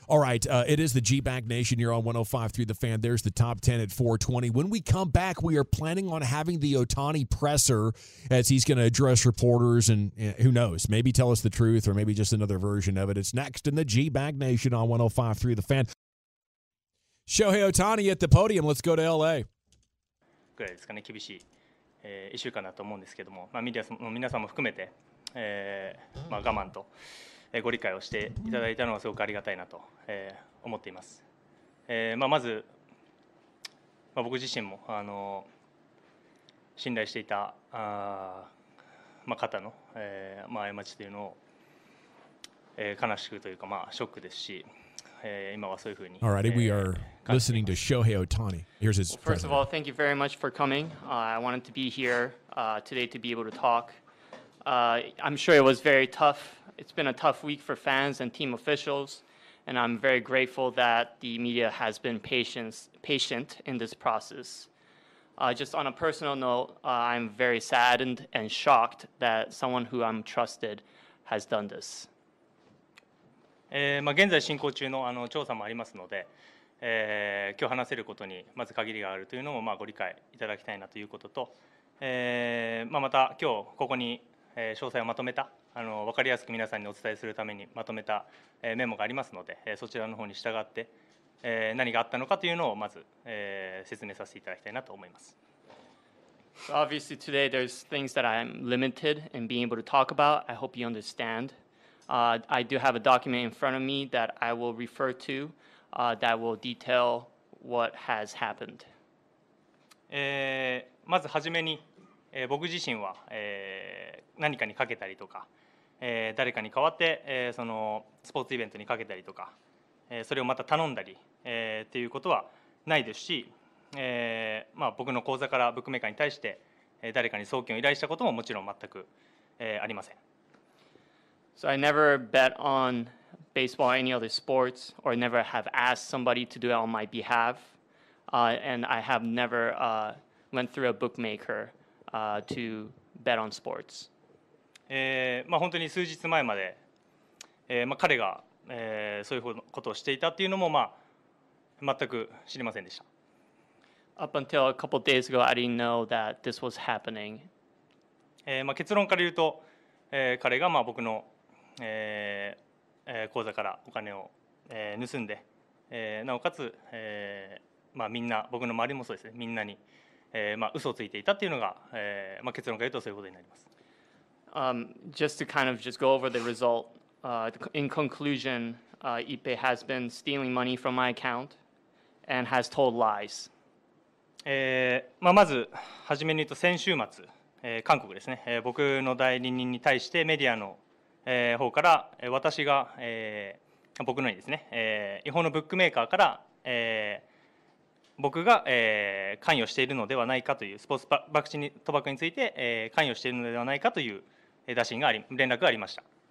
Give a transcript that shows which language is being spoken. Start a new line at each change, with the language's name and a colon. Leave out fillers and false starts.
English: All right, it is the G-Bank Nation. You're on 105 through the Fan. There's the top 10 at 420. When we come back, we are planning on having the Ohtani presser as he's going to address reporters and who knows, maybe tell us the truth or maybe just another version of it. It's next in the G-Bank Nation on 105 through the Fan. Shohei Ohtani at the podium. Let's go to L.A.
Japanese: くらいですかね厳しい、1週間だと思うんですけども、まあ、メディアの皆さんも含めて、我慢と、ご理解をしていただいたのはすごくありがたいなと、思っています、まず僕自身も信頼していた方の、過ちというのを、悲しくというか、ショックですし
English: All righty, we are listening to Shohei Ohtani. Here's his. First of all, thank you very much for coming. I wanted to be here today to be able to talk. I'm sure it was very tough. It's been a tough week for fans and team officials, and I'm very grateful that the media has been patient in this process. Just on a personal note, I'm very saddened and shocked that someone who I'm trusted has done this.
Japanese: 現在進行中 の調査もありますので、今日話せることにまず限りがあるというのも、ご理解いただきたいなということと、まあ、また今日ここに詳細をまとめた分かりやすく皆さんにお伝えするためにまとめたメモがありますのでそちらの方に従って何があったのかというのをまず説明させていただきたいなと思います。
English: So obviously today there's things that I'm limited in being able to talk about. I hope you understand. I do have a document in front of me that I will refer to that will detail what has happened.
Japanese: まずはじめに僕自身は何かにかけたりとか誰かに代わってそのスポーツイベントにかけたりとかそれをまた頼んだりっていうことはないですし、まあ僕の口座からブックメーカーに対して誰かに送金を依頼したことももちろん全くありません。
English: So I never bet on baseball or any other sports or never have asked somebody to do it on my behalf and I have never went through a bookmaker to bet on sports.
Japanese: まあ、本当に数日前まで、まあ、彼が、そういうことをしていたっていうのも、まあ、全く知りませんでした。
English: Up until a couple of days ago, I didn't know that this was happening.
Japanese: まあ、結論から言うと、彼がまあ僕の、口座からお金を、盗んで、なおかつ、まあ、みんな僕の周りもそうですね。みんなに、まあ、嘘をついていたっていうのが、まあ、結論から言うとそういうことになります。
English: Just to kind of just go over the result. In conclusion, Ipe has been stealing money from my account and has told lies.
Japanese: まあ、まず初めに言うと先週末、韓国ですね、僕の代理人に対してメディアの、方から私が、僕のにですね、違法のブックメーカーから、僕が、関与しているのではないかというスポーツ博打賭博について、関与しているのではないかという打診があり連絡がありました。